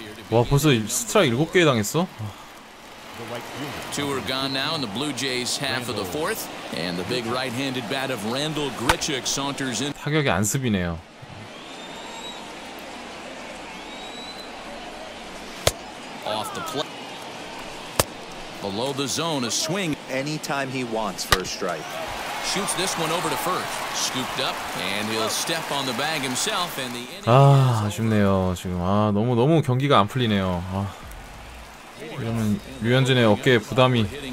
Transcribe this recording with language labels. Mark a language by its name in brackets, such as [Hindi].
[Korean] 와, 벌써 스트라이크 7개 당했어? [English] 2 are gone now in the Blue Jays half of the fourth and the big right-handed bat of Randall Grichuk saunters in. [Korean] 타격이 안습이네요. [English] Off the plate. Below the zone a swing anytime he wants for a strike. Shoots this one over to first. Scooped up and he'll step on the bag himself and the inning. [Korean] 아, 아쉽네요. 지금 아, 너무 너무 경기가 안 풀리네요. 아. 이러면 류현진의 어깨에 부담이.